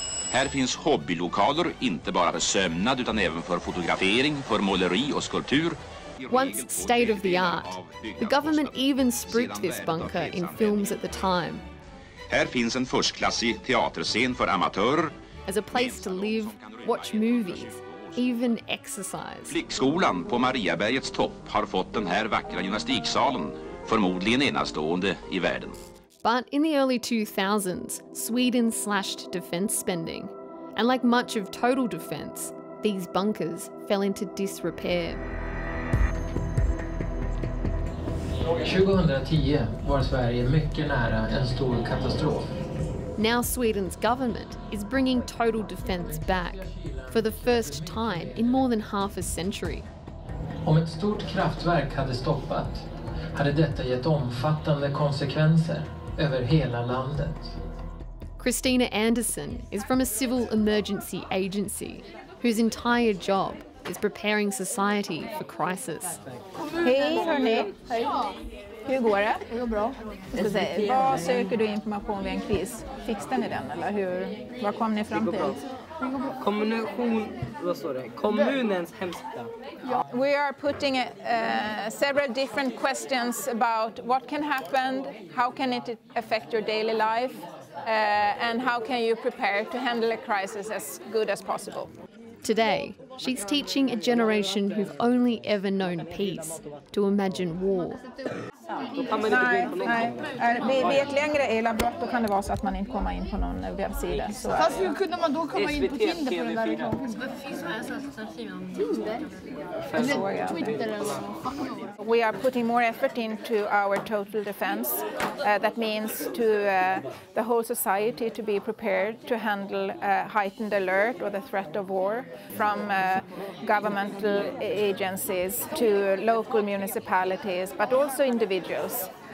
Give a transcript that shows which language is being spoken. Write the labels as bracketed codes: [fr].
[sv] Här finns hobbylokaler, inte bara för sömnad utan även för fotografering, för måleri och skulptur. [en] Once state of the art, the government even spruced this bunker in films at the time. [sv] Här finns en förstklassig teaterscen för amatörer. [en] As a place to live, watch movies, even exercise. [sv] Flickskolan på Mariabergets topp har fått den här vackra gymnastiksalen, förmodligen enastående i världen. [en] But in the early 2000s, Sweden slashed defence spending. And like much of total defence, these bunkers fell into disrepair. [sv] 2010 var Sverige mycket nära en stor katastrof. [en] Now Sweden's government is bringing total defence back for the first time in more than half a century. [sv] Om ett stort kraftverk hade stoppat, hade detta gett omfattande konsekvenser över hela landet. [en] Christina Anderson is from a civil emergency agency whose entire job is preparing society for crisis. [sv] Hej, hörni. Hej. Hur går det? Det går bra. Vad söker du information vid en kris? Fixar ni den eller hur? Var kom ni fram till? Kommunens hemsida. [en] We are putting several different questions about what can happen, how can it affect your daily life, and how can you prepare to handle a crisis as good as possible. Today, she's teaching a generation who've only ever known peace to imagine war. [sv] Vid ett längre elavbrott kan det vara så att man inte kommer in på någon webbsida. Fast hur kunde man då komma in på Tinder för den där reklamen? [en] We are putting more effort into our total defense. That means to the whole society to be prepared to handle heightened alert or the threat of war from governmental agencies to local municipalities, but also individuals.